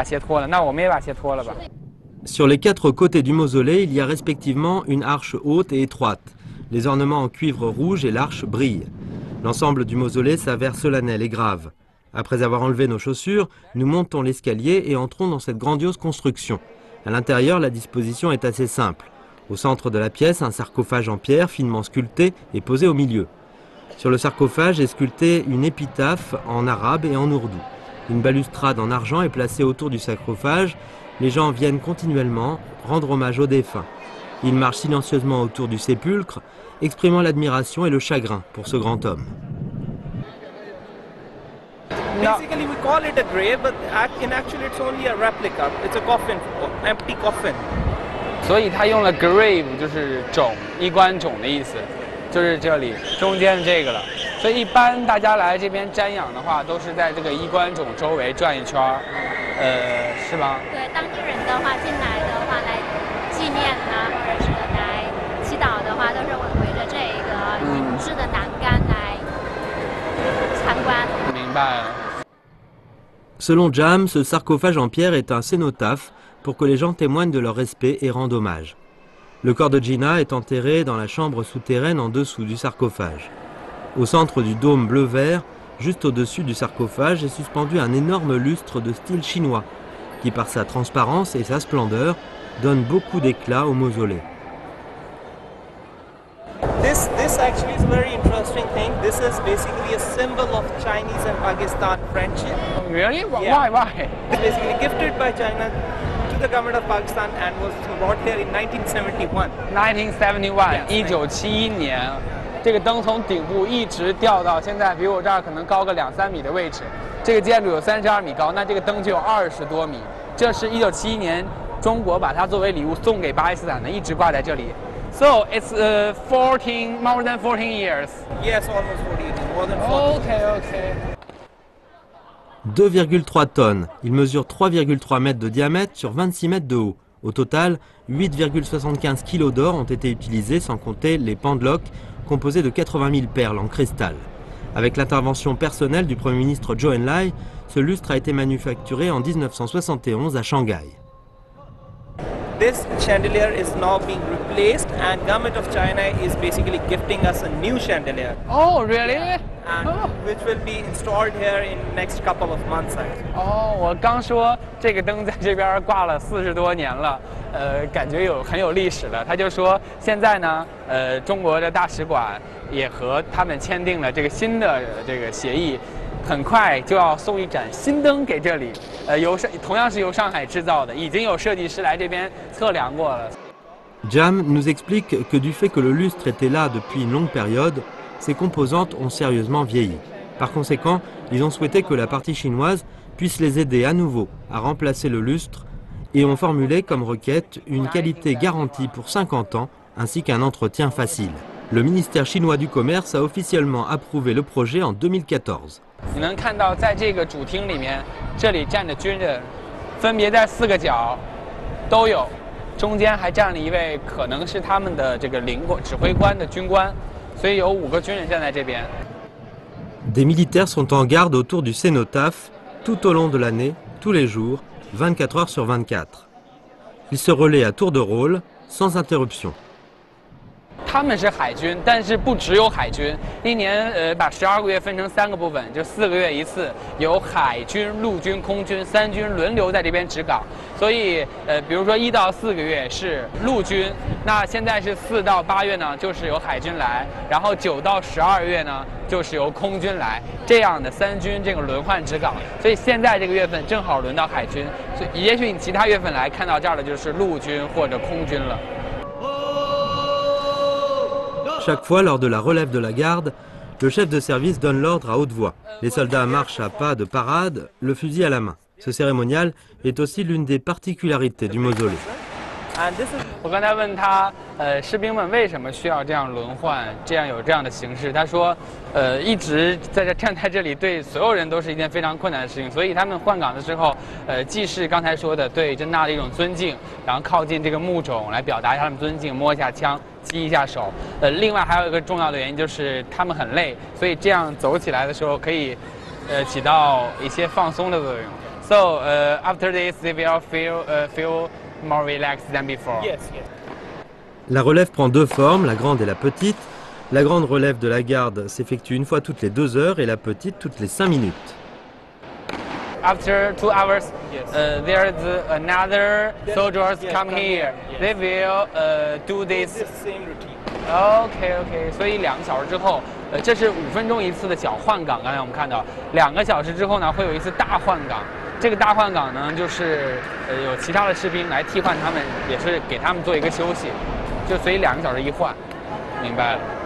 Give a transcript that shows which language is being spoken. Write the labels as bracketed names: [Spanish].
[Chinese] 我看到现在站在上面的很多人，你看他们都把鞋脱了，有点像我们之前在看到这个拍摄《飞到清真寺》的时候，很多人全都脱了鞋进去的。所以刚才他说这是人们对于珍娜这个一种尊重，对，要把鞋脱了，那我们也把鞋脱了吧。 [French] Sur les quatre côtés du mausolée, il y a respectivement une arche haute et étroite. Les ornements en cuivre rouge et l'arche brillent. L'ensemble du mausolée s'avère solennel et grave. Après avoir enlevé nos chaussures, nous montons l'escalier et entrons dans cette grandiose construction. À l'intérieur, la disposition est assez simple. Au centre de la pièce, un sarcophage en pierre finement sculpté est posé au milieu. Sur le sarcophage est sculptée une épitaphe en arabe et en ourdou. Une balustrade en argent est placée autour du sarcophage. Les gens viennent continuellement rendre hommage aux défunts. Ils marchent silencieusement autour du sépulcre, exprimant l'admiration et le chagrin pour ce grand homme. [English] Basically, we call it a grave, but in actually, it's only a replica. It's a coffin, empty coffin. [Chinese] 所以他用了 grave 就是冢，衣冠冢的意思，就是这里中间的这个了。所以一般大家来这边瞻仰的话，都是在这个衣冠冢周围转一圈。是吗？对，当地人的话进来的话来纪念啊，或者是来祈祷的话，都是会围着这个银质的栏杆来参观。明白。 [French] Selon Jam, ce sarcophage en pierre est un cénotaphe pour que les gens témoignent de leur respect et rendent hommage. Le corps de Gina est enterré dans la chambre souterraine en dessous du sarcophage. Au centre du dôme bleu-vert, juste au-dessus du sarcophage, est suspendu un énorme lustre de style chinois qui, par sa transparence et sa splendeur, donne beaucoup d'éclat au mausolée. [English] This actually is a very interesting thing. This is basically a symbol of Chinese and Pakistan friendship. Really? Why? It's basically gifted by China to the government of Pakistan and was brought here in 1971. [Chinese] 这个灯从顶部一直掉到现在比我这儿可能高个两三米的位置。这个建筑有32米高，那这个灯就有20多米。这是1971年中国把它作为礼物送给巴基斯坦的，一直挂在这里。 [English] So it's more than 14 years. Yes, almost 14 years. More than 14 years. Okay. 2,3 tonnes. [French] Il mesure 3,3 mètres de diamètre sur 26 mètres de haut. Au total, 8,75 kilos d'or ont été utilisés, sans compter les pendeloques composés de 80 000 perles en cristal. Avec l'intervention personnelle du Premier ministre Zhou Enlai, ce lustre a été manufacturé en 1971 à Shanghai. [English] This chandelier is now being replaced and government of China is basically gifting us a new chandelier. Oh, really? And which will be installed here in next couple of months. [Chinese] Oh, 我刚说这个灯在这边挂了40多年了，感觉有很有历史了。他就说现在呢，中国的大使馆也和他们签订了这个新的这个协议，很快就要送一盏新灯给这里，同样是由上海制造的，已经有设计师来这边测量过了。 [French] Jam nous explique que du fait que le lustre était là depuis une longue période, ses composantes ont sérieusement vieilli. Par conséquent, ils ont souhaité que la partie chinoise puisse les aider à nouveau à remplacer le lustre et ont formulé comme requête une qualité garantie pour 50 ans ainsi qu'un entretien facile. Le ministère chinois du commerce a officiellement approuvé le projet en 2014. [Chinese] 你能看到在这个主厅里面，这里站着军人，分别在四个角都有，中间还站了一位可能是他们的这个指挥官的军官，所以有五个军人站在这边。 [French] Des militaires sont en garde autour du cénotaphe tout au long de l'année, tous les jours, 24 heures sur 24. Ils se relaient à tour de rôle, sans interruption. [Chinese] 他们是海军，但是不只有海军。一年，把12个月分成3个部分，就4个月一次，有海军、陆军、空军3军轮流在这边值岗。所以，比如说1到4个月是陆军，那现在是4到8月呢，就是由海军来；然后9到12月呢，就是由空军来。这样的3军这个轮换值岗，所以现在这个月份正好轮到海军。所以，也许你其他月份来看到这儿的就是陆军或者空军了。 [French] Chaque fois lors de la relève de la garde, le chef de service donne l'ordre à haute voix. Les soldats marchent à pas de parade, le fusil à la main. Ce cérémonial est aussi l'une des particularités du mausolée. [Chinese] 我刚才问他，士兵们为什么需要这样轮换，这样有这样的形式？他说，一直在这站在这里，对所有人都是一件非常困难的事情。所以他们换岗的时候，既是刚才说的对珍娜的一种尊敬，然后靠近这个墓冢来表达一下他们尊敬，摸一下枪，击一下手。另外还有一个重要的原因就是他们很累，所以这样走起来的时候可以，起到一些放松的作用。 [English] So, after this, they will feel. More relaxed than before. Yes. [French] La relève prend deux formes, la grande et la petite. La grande relève de la garde s'effectue une fois toutes les 2 heures et la petite toutes les 5 minutes. [English] After 2 hours, yes. There's another soldiers yes, come here. Yes. They will do this. Okay. [Chinese] 所以2个小时之后，这是5分钟一次的小换岗。刚才我们看到，2个小时之后呢，会有一次大换岗。这个大换岗呢，就是有其他的士兵来替换他们，也是给他们做一个休息，就所以2个小时一换，明白了。